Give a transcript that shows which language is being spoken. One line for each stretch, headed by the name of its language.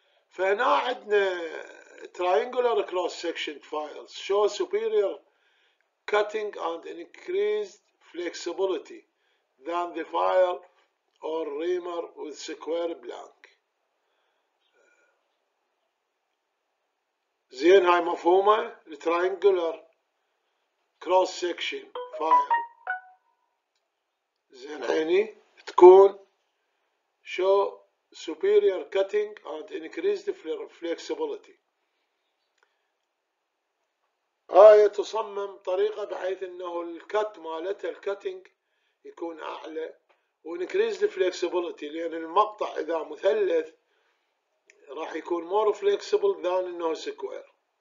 Arabic: فهنا عندنا
English: triangular cross section files show superior cutting and increased flexibility than the file or reamer with square blank.
Arabic: زين هاي مفهومة
English: الترينجولر cross section file.
Arabic: زين عيني تكون شو
English: superior cutting and increased flexibility.
Arabic: هاي تصمم طريقة بحيث انه الكت مالتها الكتنج يكون اعلى، وانكريزد flexibility لان المقطع اذا مثلث راح يكون
English: more flexible than
Arabic: انه سكوير.